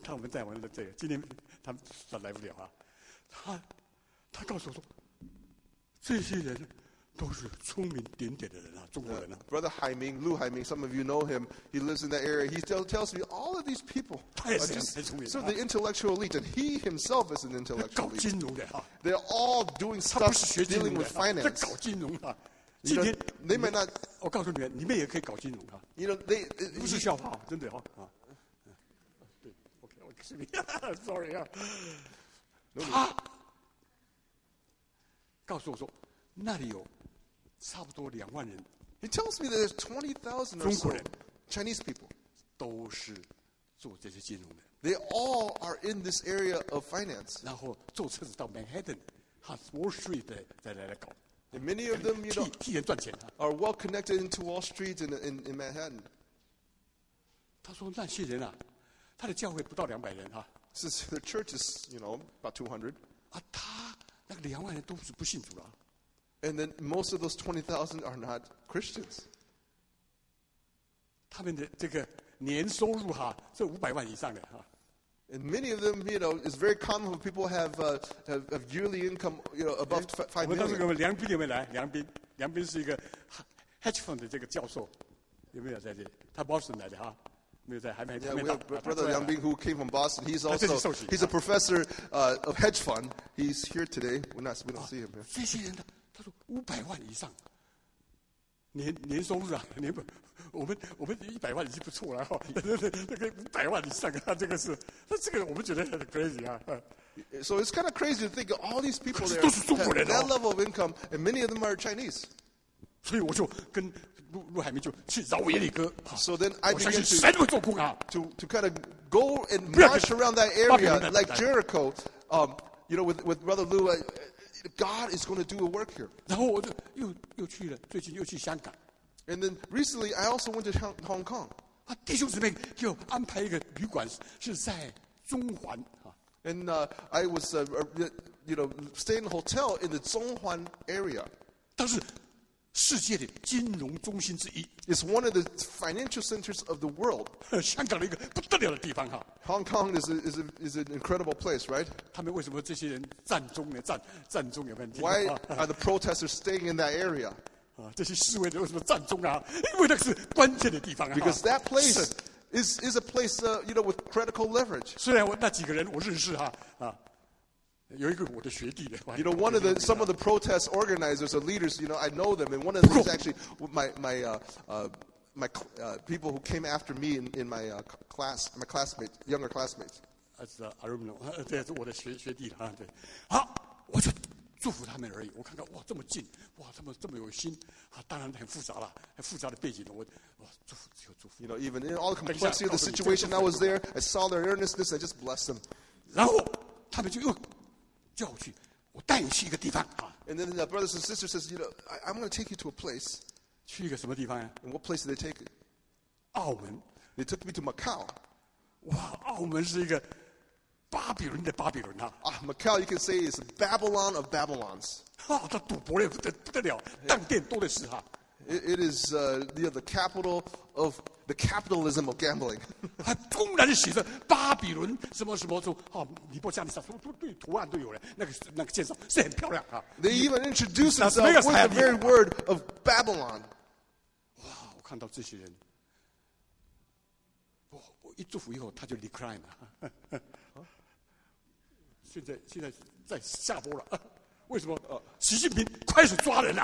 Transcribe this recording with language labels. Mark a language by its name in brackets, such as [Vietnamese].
[Chinese] 他们在玩的这个，今天他们来不了啊。他告诉我说，这些人。都是聪明点点的人啊，中国人啊。 [English] Brother Hai Ming, Lu Hai Ming, some of you know him. He lives in that area. He still tells me all of these people are just [Chinese] 很聪明 [English] sort of the intellectual elite, and he himself is an intellectual elite. [Chinese] 搞金融的啊。 [English] They're all doing stuff dealing with finance. [Chinese] 在搞金融啊。今天 [English] they might not. [Chinese] 我告诉你们，你们也可以搞金融啊。 [English] You know they [Chinese] 不是笑话，真的啊。对 ，OK, 我是你 ，Sorry 啊。他告诉我说，那里有。差不多两万人。 [English] He tells me that there's 20,000 [Chinese] 中国人 [English] Chinese people [Chinese] 都是做这些金融的。 [English] They all are in this area of finance. [Chinese] 然后坐车子到 Manhattan, Wall Street 再来搞。 [English] And many of them, you know, [Chinese] 替人赚钱。 [English] Are well connected into Wall Street in Manhattan. [Chinese] 他说那些人啊，他的教会不到两百人哈。 [English] Since the church is, you know, about 200. [Chinese] 啊，他那个两万人都是不信主了。 [English] And then most of those 20,000 are not Christians. [Chinese] 他们的这个年收入哈，是五百万以上的哈。 [English] And many of them, you know, it's very common for people have yearly income, you know, above $5 million. [Chinese] 我们当时我们梁斌有没有来？梁斌是一个 hedge fund 的这个教授，有没有在这？他 Boston 来的哈。 [English] Yeah, we have Brother Liang Bing who came from Boston. He's also he's a professor of hedge fund. He's here today. We don't see him here. [Chinese] 这些人的，他说五百万以上年收入啊，年不，我们一百万已经不错了哈。那个五百万以上啊，这个是，那这个我们觉得很 crazy 啊。 [English] So it's kind of crazy to think of all these people there [Chinese] 都是中国人 [English] that level of income, and many of them are Chinese. [Chinese] 所以我就跟。陆海明就去饶耶利哥。 [English] So then I began to [Chinese] 神会做工啊 [English] to kind of go and march around that area like Jericho, you know, with Brother Lu, God is going to do a work here. [Chinese] 然后我就又去了，最近又去香港。 [English] And then recently I also went to Hong Kong. [Chinese] 啊，弟兄姊妹就安排一个旅馆是在中环啊。 [English] And I was you know staying in a hotel in the Zhonghuan area. [Chinese] 但是世界的金融中心之一 [English] ，is one of the financial centers of the world. [Chinese] 香港的一个不得了的地方哈。 [English] Hong Kong is an incredible place, right? [Chinese] 他们为什么这些人占中呢？占中有问题。 [English] Why are the protesters staying in that area? [Chinese] 啊，这些示威者为什么占中啊？因为那是关键的地方啊。 [English] Because that place is a place, you know, with critical leverage. [Chinese] 虽然我那几个人我认识哈啊。有一个我的学弟的 [English] You know, one of the some of the protest organizers or leaders, you know, I know them, and one of them is actually my people who came after me in my class, my classmates, younger classmates. That's the alumni. [Chinese] 这是我的学弟啊，对。好，我就祝福他们而已。我看看，哇，这么近，哇，他们这么有心啊，当然很复杂了，很复杂的背景。我祝福就祝福。 [English] You know, even in all the complexity of the situation, I was there. I saw their earnestness. I just blessed them. [Chinese] 然后他们就又叫我去，我带你去一个地方啊。 [English] And then the brothers and sisters says, you know, I'm going to take you to a place. [Chinese] 去一个什么地方呀、啊、 [English] ？And what place did they take you? 澳门。 They took me to Macau. [Chinese] 哇，澳门是一个巴比伦的巴比伦啊。 [English] Macau, you can say is Babylon of Babylons. [Chinese] 哈、啊，他赌博的不得了，当店多的是哈、啊。 [English] It is the capital of the capitalism of gambling. [Chinese] 他公然写着巴比伦什么什么图啊，尼波加尼撒说对图案都有了，那个建筑是很漂亮啊。 [English] They even introduce themselves with the very word of Babylon. [Chinese] 哇，我看到这些人，我一祝福以后他就 decline 了。现在在下播了。为什么？习近平快速抓人了